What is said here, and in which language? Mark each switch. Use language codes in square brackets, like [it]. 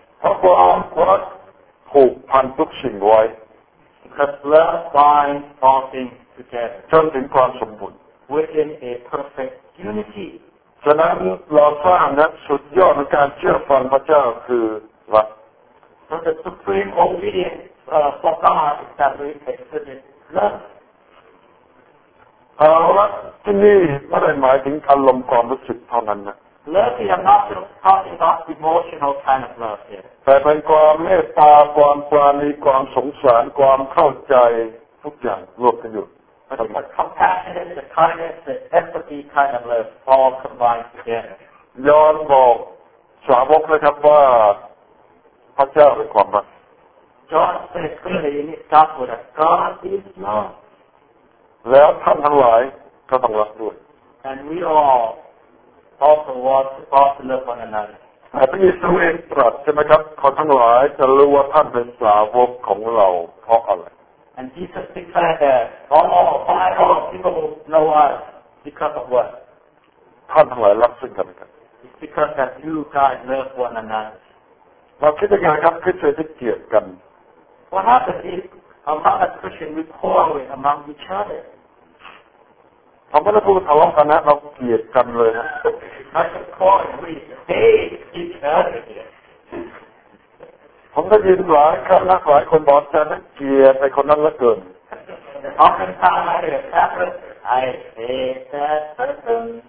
[th] เพราะความรักผูกพันทุกสิ่งไว้ [en] Because love binds all things together [th] จนถึงความสมบูรณ์ [en] Within a perfect unity [th] ฉะนั้นเราสร้างนะสุดยอดในการเชื่อฟังพระเจ้าคือรัก [en] So the supreme obedienceFor God is that we exhibit love. [th] Love, ที่นี่ไม่ได้หมายถึงอารมณ์ความรู้สึกเท่านั้นนะ [en] Love is not just talking about emotional kind of love here. [th] แต่เป็นความเมตตาความปรานีความสงสารความเข้าใจทุกอย่างรวมกันอยู่ [en] But it's a compassionate, the kindness, the empathy kind of love all combined together. [th] ย้อนบอกสาวกนะครับว่าพระเจ้าเป็นความรัก [en] John says clearly in his gospel that God is love. [th] แล้วท่านทั้งหลายก็ต้องรักด้วย [en] And we all also want to pass the love on another. [th] พระเยซูเองตรัสใช่ไหมครับคนทั้งหลายจะรู้ว่าท่านเป็นสาวกของเราเพราะอะไร [en] And Jesus declared that all people know us because of what? [th] ท่านทั้งหลายรักซึ่งกันและกัน [en] It's because that you guys love one another. [th] เราคิดยังไงครับคริสเตียนที่เกลียดกัน [en] What happens if among us Christians we quarrel among each other? [th] ทำไมเราพูดทะเลาะกันนะเราเกลียดกันเลยนะ [en] Not just quarrel, we hate each other. [th] ผมได้ยินหลายครั้งนะหลายคนบอกอาจารย์นั้นเกลียดไอ้คนนั้นเหลือเกิน [en] Often time I hear that person, I hate that person.